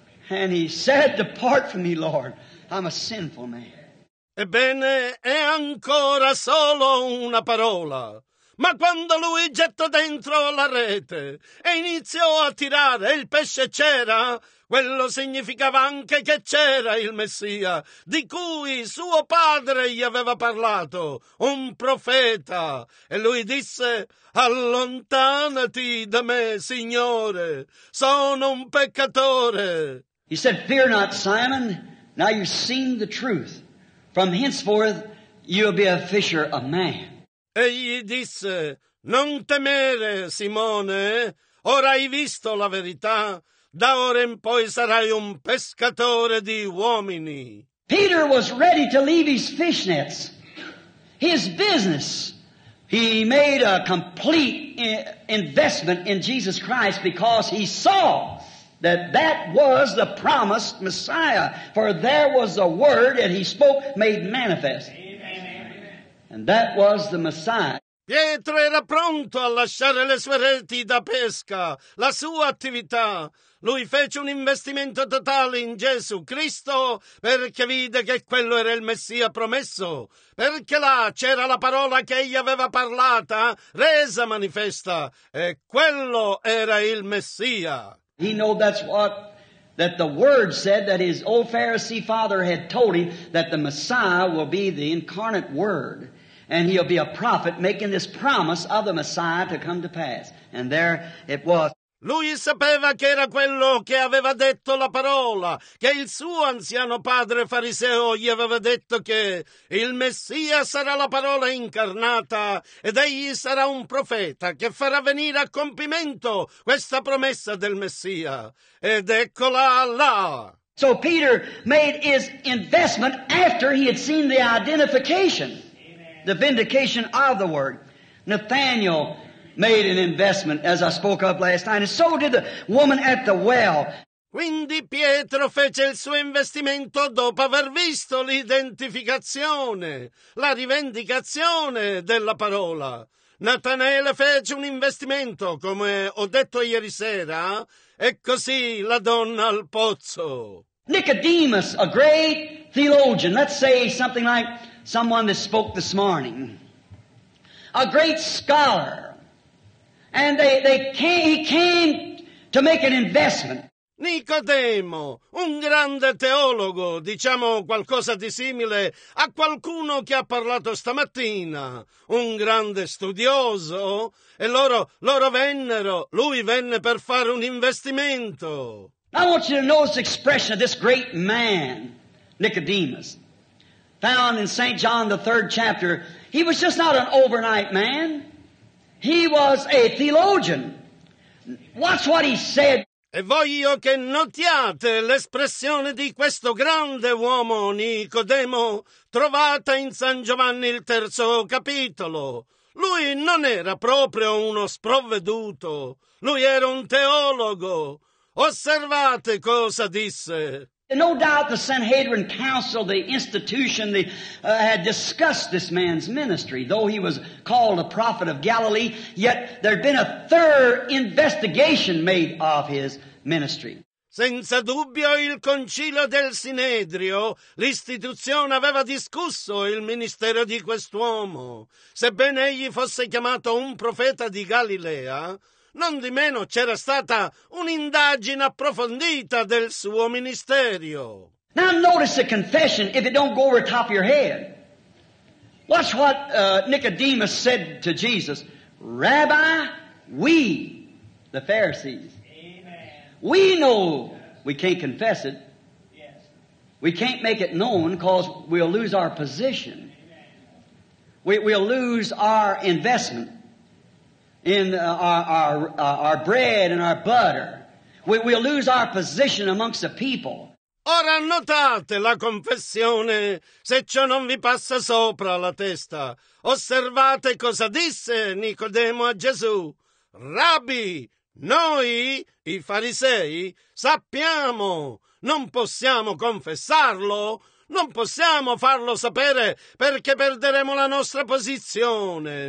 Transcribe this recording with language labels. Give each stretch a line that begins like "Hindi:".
English: And he said, depart from me, Lord. I'm a sinful man.
Italian: Ebbene, è ancora solo una parola. Ma quando lui gettò dentro la rete e iniziò a tirare, il pesce c'era, quello significava anche che c'era il Messia, di cui suo padre gli aveva parlato, un profeta. E lui disse, allontanati da me, Signore, sono un peccatore.
English: He said, fear not, Simon, now you've seen the truth. From henceforth, you'll be a fisher of man.
Italian: Egli disse, non temere, Simone, ora hai visto la verità, da ora in poi sarai un pescatore di uomini.
English: Peter was ready to leave his fish nets, his business, He made a complete investment in Jesus Christ because he saw that that was the promised Messiah. For there was a word that he spoke made manifest. Amen, amen. And that was the Messiah.
Italian: Pietro era pronto a lasciare le sue reti da pesca, la sua attività. Lui fece un investimento totale in Gesù Cristo perché vide che quello era il Messia promesso, perché là c'era la parola che egli aveva parlata, resa manifesta, e quello era il Messia.
English: He knew that's what that the word said, that his old Pharisee father had told him that the Messiah will be the incarnate word. And he'll be a prophet making this promise of the Messiah to come to pass. And there it was.
Italian: Lui sapeva che era quello che aveva detto la parola, che il suo anziano padre fariseo gli aveva detto che il Messia sarà la parola incarnata ed egli sarà un profeta che farà venire a compimento questa promessa del Messia. Ed eccola là.
English: So Peter made his investment after he had seen the identification. The vindication of the word. Nathaniel made an investment, as I spoke of last night, and so did the woman at the well.
Italian: Quindi Pietro fece il suo investimento dopo aver visto l'identificazione, la rivendicazione della parola. Natanaele fece un investimento, come ho detto ieri sera, e così la donna al pozzo.
English: Nicodemus, a great theologian, let's say something like someone that spoke this morning, a great scholar, and he came to make an investment.
Italian: Nicodemo, un grande teologo, diciamo qualcosa di simile a qualcuno che ha parlato stamattina, un grande studioso, e lui venne per fare un investimento.
English: I want you to notice the expression of this great man, Nicodemus, found in St. John, the third chapter. He was just not an overnight man. He was a theologian. Watch what he said.
Italian: E voglio che notiate l'espressione di questo grande uomo, Nicodemo, trovata in San Giovanni, il terzo capitolo. Lui non era proprio uno sprovveduto. Lui era un teologo. Osservate cosa disse.
English: No doubt the Sanhedrin Council, the institution, had discussed this man's ministry. Though he was called a prophet of Galilee, yet there had been a thorough investigation made of his ministry.
Italian: Senza dubbio il concilio del Sinedrio, l'istituzione aveva discusso il ministero di quest'uomo. Sebbene egli fosse chiamato un profeta di Galilea, non di meno c'era stata un'indagine approfondita del suo ministerio.
English: Now notice the confession if it don't go over the top of your head. Watch what Nicodemus said to Jesus. Rabbi, we, the Pharisees, amen. We know we can't confess it. Yes. We can't make it known because we'll lose our position. Amen. We'll lose our investment. In our bread and our butter. We'll lose our position amongst the people.
Italian: Ora notate la confessione, se ciò non vi passa sopra la testa. Osservate cosa disse Nicodemo a Gesù. Rabbi, noi, i farisei, sappiamo, non possiamo confessarlo, non possiamo farlo sapere perché perderemo la nostra posizione.